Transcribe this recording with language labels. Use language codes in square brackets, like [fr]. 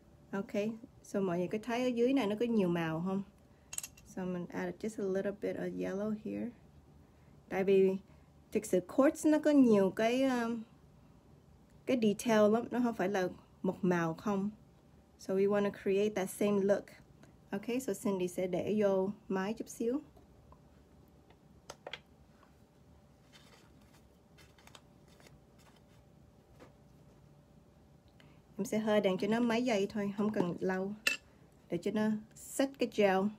[vi] Okay, so mọi người có thấy ở dưới này nó có nhiều màu không? So [en] I'm gonna add just a little bit of yellow here. [vi] Tại vì thực sự quartz nó có nhiều cái detail lắm, nó không phải là một màu không. [en] So we want to create that same look. [vi] Okay, so Cindy sẽ để vô máy chút xíu. Em sẽ hơi đèn cho nó mấy giây thôi, không cần lâu. Để cho nó set cái gel.